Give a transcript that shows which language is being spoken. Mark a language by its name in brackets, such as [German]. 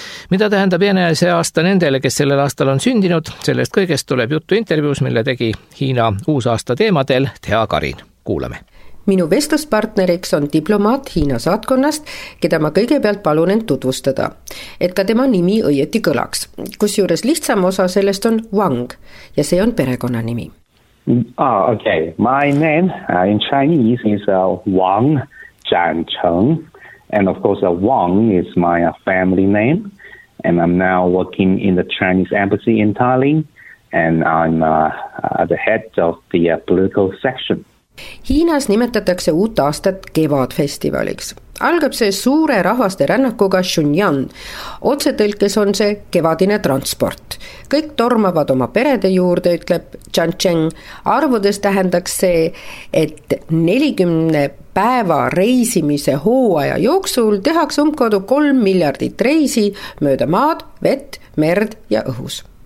[Estonian] Mida tähendab jänese aasta nendele, kes sellel aastal on sündinud? Sellest kõigest tuleb juttu intervjuus, mille tegi Hiina uus aasta teemadel Tea Karin. Kuulame. Minu vestluspartneriks on diplomaat Hiina saatkonnast, keda ma kõigepealt palun end tutvustada, et ka tema nimi õieti kõlaks. Kusjuures lihtsam osa sellest on Wang ja see on perekonna nimi. [English] Oh, okay. My name in Chinese is Wang Zhancheng and of course Wang is my family name and I'm now working in the Chinese embassy in Tallinn and I'm the head of the political section. [Estonian] Hiinas nimetatakse uut aastat kevadfestivaliks. Algab see suure rahvaste rännakuga Shunyan. Otsetõlkes on see kevadine transport. Kõik tormavad oma perede juurde, ütleb Zhancheng. Arvudes tähendaks see, et 40 päeva reisimise hooaja jooksul tehaks umbkaudu 3 miljardit reisi mööda maad, vett, merd ja õhus.